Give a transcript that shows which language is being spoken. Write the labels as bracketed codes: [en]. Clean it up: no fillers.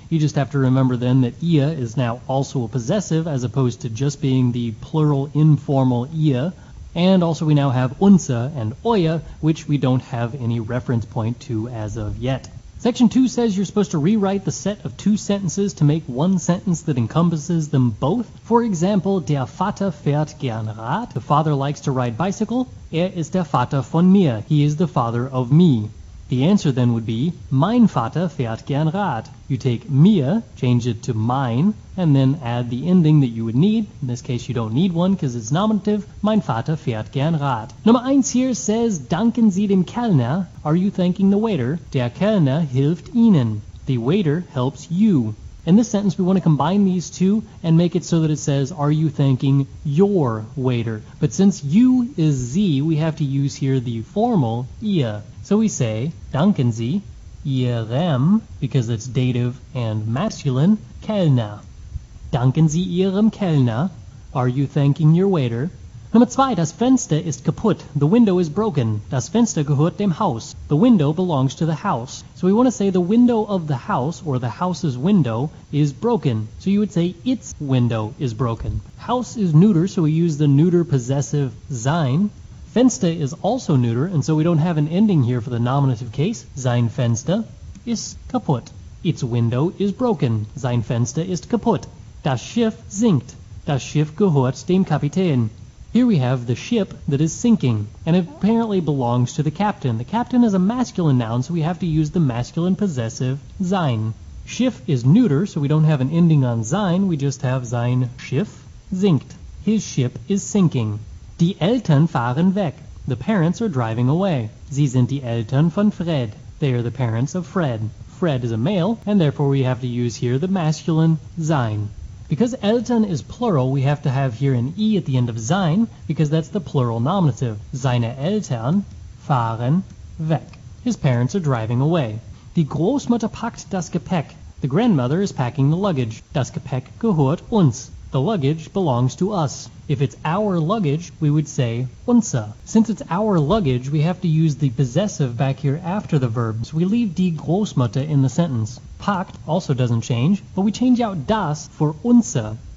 [en] You just have to remember then that ihr is now also a possessive, as opposed to just being the plural informal ihr. And also we now have unser and euer, which we don't have any reference point to as of yet. Section 2 says you're supposed to rewrite the set of two sentences to make one sentence that encompasses them both. For example, [de] der Vater fährt gern Rad. [en] The father likes to ride bicycle. [de] Er ist der Vater von mir. [en] He is the father of me. The answer then would be, [de] mein Vater fährt gern Rad. [en] You take mir, change it to mein, and then add the ending that you would need. In this case, you don't need one because it's nominative. [de] Mein Vater fährt gern Rad. Nummer 1 [en] here says, [de] danken Sie dem Kellner. [en] Are you thanking the waiter? [de] Der Kellner hilft Ihnen. [en] The waiter helps you. In this sentence, we want to combine these two and make it so that it says, are you thanking your waiter? But since you is Z, we have to use here the formal ihr. So we say, [de] danken Sie, ihrem, [en] because it's dative and masculine, Kellner. [de] Danken Sie ihrem Kellner. [en] Are you thanking your waiter? [de] Nummer 2, das Fenster ist kaputt. [en] The window is broken. [de] Das Fenster gehört dem Haus. [en] The window belongs to the house. So we want to say the window of the house, or the house's window, is broken. So you would say its window is broken. House is neuter, so we use the neuter possessive sein. Fenster is also neuter, and so we don't have an ending here for the nominative case. [de] Sein Fenster ist kaputt. [en] Its window is broken. [de] Sein Fenster ist kaputt. Das Schiff sinkt. Das Schiff gehört dem Kapitän. [en] Here we have the ship that is sinking, and it apparently belongs to the captain. The captain is a masculine noun, so we have to use the masculine possessive, sein. Schiff is neuter, so we don't have an ending on sein, we just have [de] sein Schiff sinkt. [en] His ship is sinking. [de] Die Eltern fahren weg. [en] The parents are driving away. [de] Sie sind die Eltern von Fred. [en] They are the parents of Fred. Fred is a male, and therefore we have to use here the masculine, sein. Because Eltern is plural, we have to have here an E at the end of sein, because that's the plural nominative. [de] Seine Eltern fahren weg. [en] His parents are driving away. [de] Die Großmutter packt das Gepäck. [en] The grandmother is packing the luggage. [de] Das Gepäck gehört uns. [en] The luggage belongs to us. If it's our luggage, we would say unser. Since it's our luggage, we have to use the possessive back here after the verb. So we leave die Großmutter in the sentence. Packt also doesn't change, but we change out das for unser.